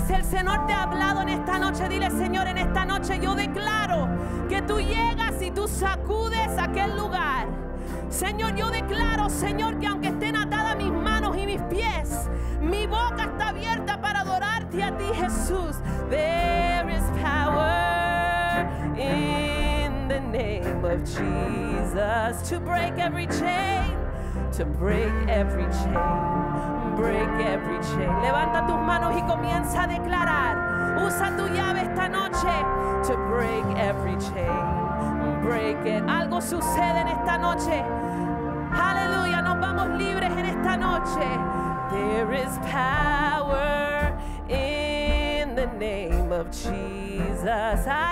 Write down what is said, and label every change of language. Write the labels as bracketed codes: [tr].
[es] Si el Señor te ha hablado en esta noche, dile, Señor, en esta noche yo declaro que tú llegas y tú sacudes aquel lugar. Señor, yo declaro, Señor, que aunque estén atadas mis manos y mis mis pies. Mi boca está abierta para adorarte a ti, Jesús. [en] There is power in the name of Jesus to break every chain, to break every chain, break every chain. [es] Levanta tus manos y comienza a declarar. Usa tu llave esta noche. [en] To break every chain, break it. [es] Algo sucede en esta noche. Aleluya, nos vamos libres en esta noche. [en] There is power in the name of Jesus.